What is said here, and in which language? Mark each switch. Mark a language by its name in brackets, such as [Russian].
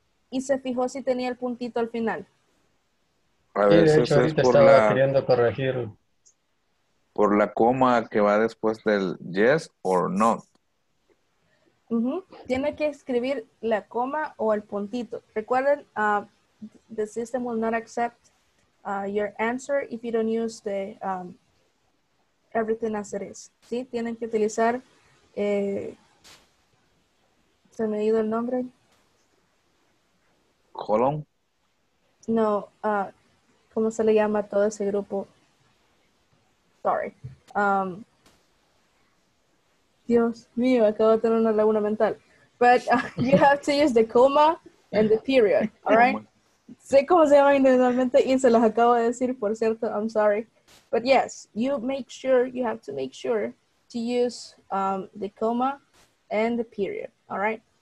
[Spanish] Y se fijó si tenía el puntito al final. A veces sí, de hecho, es por estaba queriendo corregir. Por la coma que va después del [English] yes or not. Uh-huh. [Spanish] Tiene que escribir la coma o el puntito. [English] Recuerden, the system will not accept your answer if you don't use the everything as it is. [Spanish] ¿Sí? Tienen que utilizar ¿se me ha ido el nombre? [English] ¿Colon? [Spanish] No, ¿cómo se le llama a todo ese grupo? Sorry. Dios mío, acabo de tener una laguna mental. [English] But you have to use the coma and the period, all right? [Spanish] Sé cómo se llama individualmente y se los acabo de decir, por cierto, [English] I'm sorry. But yes, you have to make sure to use the coma and the period, all right?